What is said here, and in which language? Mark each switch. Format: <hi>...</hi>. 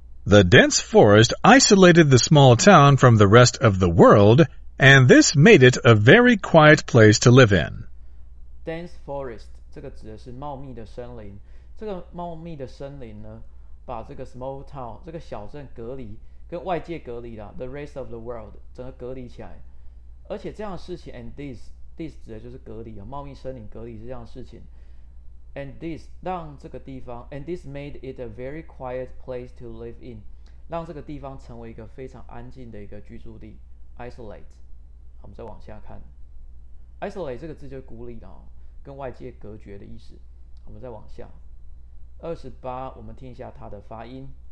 <en>The dense forest isolated the small town from the rest of the world. And this made it a very quiet place to live in.</en> <zh>Dense forest， 这个指的是茂密的森林。这个茂密的森林呢，把这个 small town， 这个小镇隔离，跟外界隔离了， the rest of the world，整个隔离起来。而且这样的事情， and this 指的就是隔离啊，茂密森林隔离是这样的事情。 And this 让这个地方， and this made it a very quiet place to live in，让这个地方成为一个非常安静的一个居住地。 Isolate， 好，我们再往下看。Isolate 这个字就是孤立的哦，跟外界隔绝的意思。我们再往下，28，我们听一下它的发音。</zh>